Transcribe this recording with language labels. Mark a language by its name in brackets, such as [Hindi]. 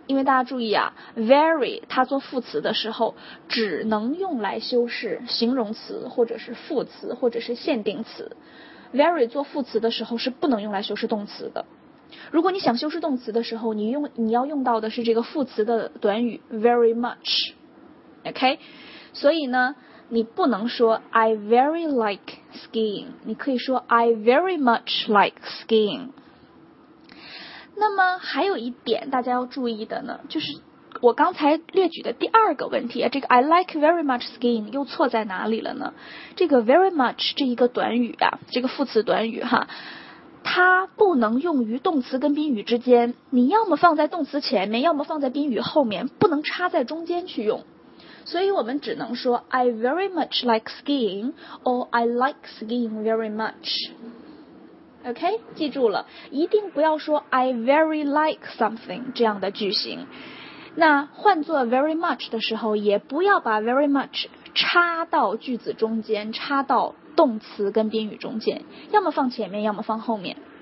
[Chinese] 因为大家注意啊， very 它做副词的时候只能用来修饰形容词或者是副词或者是限定词， very 做副词的时候是不能用来修饰动词的。如果你想修饰动词的时候，你要用到的是这个副词的短语 very much, OK? 所以呢你不能说 [English] I very like skiing, [Chinese] 你可以说 [English] I very much like skiing。 [Chinese] 那么还有一点大家要注意的呢，就是我刚才列举的第二个问题，这个 [English] I like very much skiing [Chinese] 又错在哪里了呢？这个 very much 这一个短语啊，这个副词短语哈，它不能用于动词跟宾语之间，你要么放在动词前面，要么放在宾语后面，不能插在中间去用。所以我们只能说 [English] I very much like skiing or I like skiing very much。 [Chinese] OK， 记住了，一定不要说 [English] I very like something [Chinese] 这样的句型。那换作 very much 的时候，也不要把 very much 插到句子中间，插到动词跟宾语中间，要么放前面，要么放后面。